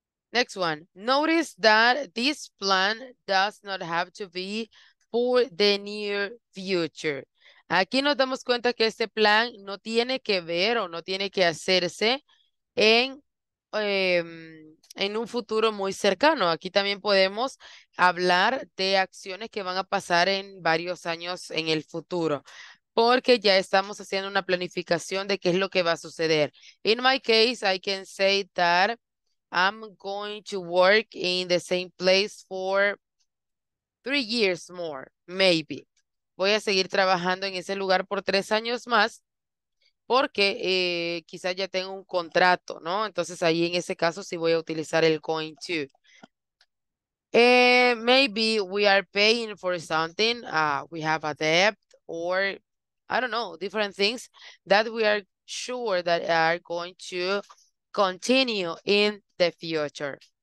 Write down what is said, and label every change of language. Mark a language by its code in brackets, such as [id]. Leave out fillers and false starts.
[en] Next one. Notice that this plan does not have to be for the near future. [es] Aquí nos damos cuenta que este plan no tiene que ver o no tiene que hacerse en un futuro muy cercano. Aquí también podemos hablar de acciones que van a pasar en varios años en el futuro, porque ya estamos haciendo una planificación de qué es lo que va a suceder. [en] In my case, I can say that I'm going to work in the same place for 3 years more, maybe. [es] Voy a seguir trabajando en ese lugar por 3 años más porque quizás ya tengo un contrato, ¿no? Entonces ahí en ese caso sí voy a utilizar el going to. [en] Maybe we are paying for something. We have a debt or, I don't know, different things that we are sure that are going to continue in the future.